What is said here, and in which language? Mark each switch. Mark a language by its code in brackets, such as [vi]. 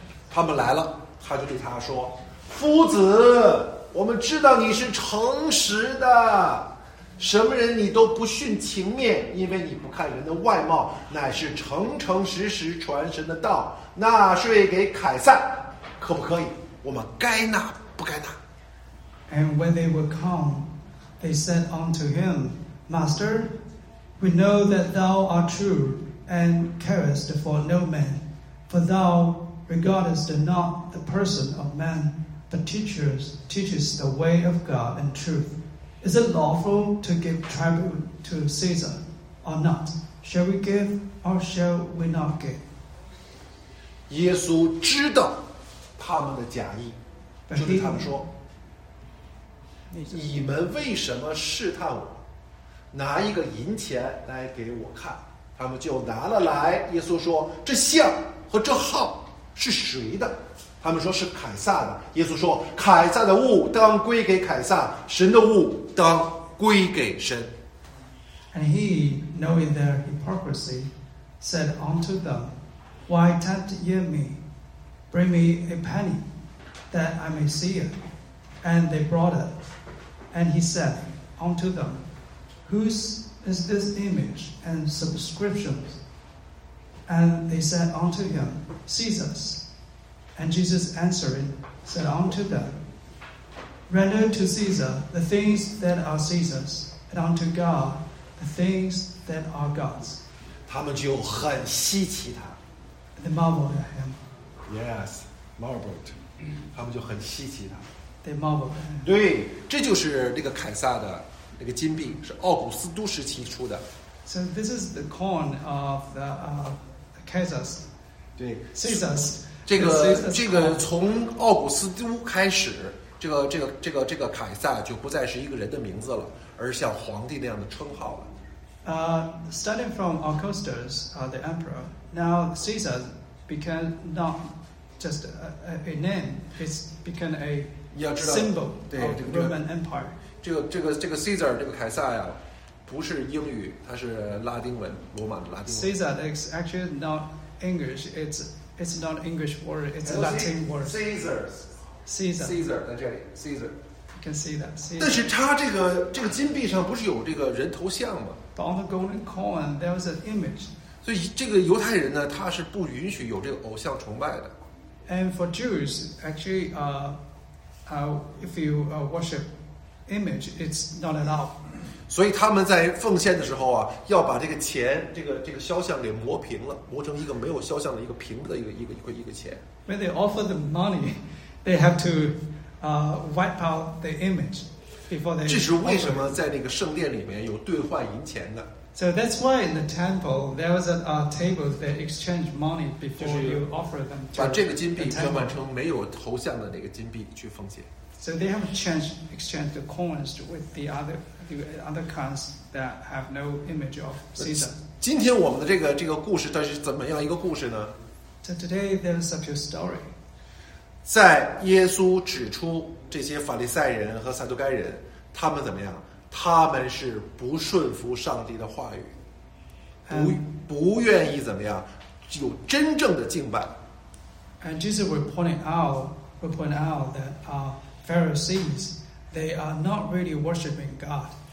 [zh] 他们来了，他就对他说：“夫子，我们知道你是诚实的，什么人你都不逊情面，因为你不看人的外貌，乃是诚诚实实传神的道，纳税给凯撒，可不可以？我们该纳不该纳？” [en] And when they were come. They said unto him, Master, we know that thou art true and carest for no man, for thou regardest not the person of man, but teachest the way of God and truth. Is it lawful to give tribute to Caesar or not? Shall we give or shall we not give? [zh] 耶稣知道他们的假意，就对他们说。你们为什么试探我？拿一个银钱来给我看。他们就拿了来。耶稣说：“这像和这号是谁的？” 他们说：“是凯撒的。” 耶稣说：“凯撒的物当归给凯撒，神的物当归给神。” [en] And he, knowing their hypocrisy, said unto them, "Why tempt ye me? Bring me a penny, that I may see it." And they brought it. And he said unto them, Whose is this image and subscription? And they said unto him, Caesar's. And Jesus answering said unto them, Render to Caesar the things that are Caesar's, and unto God the things that are God's. [zh] 他们就很稀奇他。 [en] They marveled at him. Yes. marveled. [zh] 他们就很稀奇他。 [en] They marveled. [zh] 对，这就是那个凯撒的那个金币，是奥古斯都时期出的。 [en] So this is the coin of the Caesar's. [zh] 对 [en] ，Caesar's. [zh] 这个从奥古斯都开始，这个凯撒就不再是一个人的名字了，而像皇帝那样的称号了。 [en] Starting from Augustus, the emperor, now Caesar became not just a name, it's become a symbol of the Roman Empire. [zh] 这个 Caesar, 这个凯撒呀，不是英语，它是拉丁文，罗马的拉丁文。 [en] Caesar is actually not English, it's not an English word, it's a Latin word. [zh] Caesar 在这里 ，Caesar。 [en] Can see that. [zh] 但是它这个金币上不是有这个人头像吗？ [en] On the golden coin, there was an image. [zh] 所以这个犹太人呢，他是不允许有这个偶像崇拜的。 [en] And for Jews, actually, if you worship image, it's not allowed. [zh] 所以他们在奉献的时候啊，要把这个钱，这个肖像给磨平了，磨成一个没有肖像的一个平的一个钱。 [en] When they offer the money, they have to wipe out the image. [zh] 这是为什么在那个圣殿里面有兑换银钱的 [en] ？So that's why in the temple there was a table that exchanged money before you offer them. [zh] 把这个金币兑换成没有头像的那个金币去奉献。 [en] So they have exchanged the coins with the other kinds that have no image of Caesar. [zh] 今天我们的这个故事它是怎么样一个故事呢 [en] ？So today there's such a story. [zh] 在耶稣指出这些法利赛人和撒都该人他们怎么样他们是不顺服上帝的话语 不愿意怎么样有真正的敬拜 [en] And Jesus will point out that Pharisees they are not really worshiping God